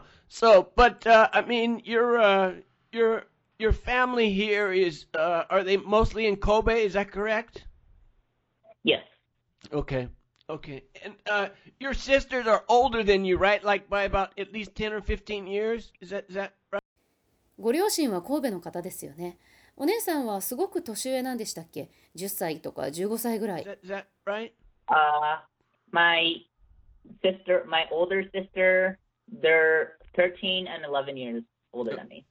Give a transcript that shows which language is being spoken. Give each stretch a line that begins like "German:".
English: So, but I mean, your family here is are they mostly in Kobe? Is that correct? Yes. Okay. And your sisters are older than you, right? Like by about at least 10 or 15 years? Is that right?
Japanese: ご両親は神戸の方ですよね。お姉さんはすごく年上なんでしたっけ？ 10 歳とか15歳ぐらい。
English: Is that right? My older sister, they're 13 and 11 years older than me.